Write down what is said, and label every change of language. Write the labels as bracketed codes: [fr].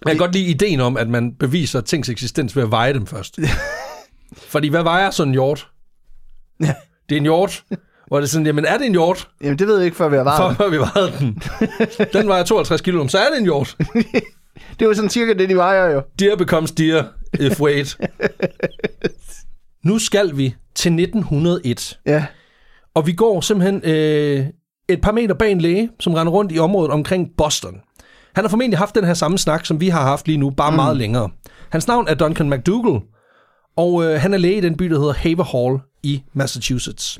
[da] Jeg kan godt lide ideen om, at man beviser tings eksistens ved at veje dem først. Fordi hvad vejer sådan en hjort? Det er en hjort. Hvor det er sådan, jamen er det en hjort? Jamen det ved jeg ikke, før vi har vejet den. Før vi har vejet den. Den vejer 52 kilo, så er det en hjort. Det er jo sådan cirka det, de vejer jo. [en] Deer becomes deer, if weighed. [da] Nu skal vi til 1901. Ja. Og vi går simpelthen et par meter bag en læge, som render rundt i området omkring Boston. Han har formentlig haft den her samme snak, som vi har haft lige nu, bare meget længere. Hans navn er Duncan MacDougall, og han er læge i den by, der hedder Haver Hall i Massachusetts.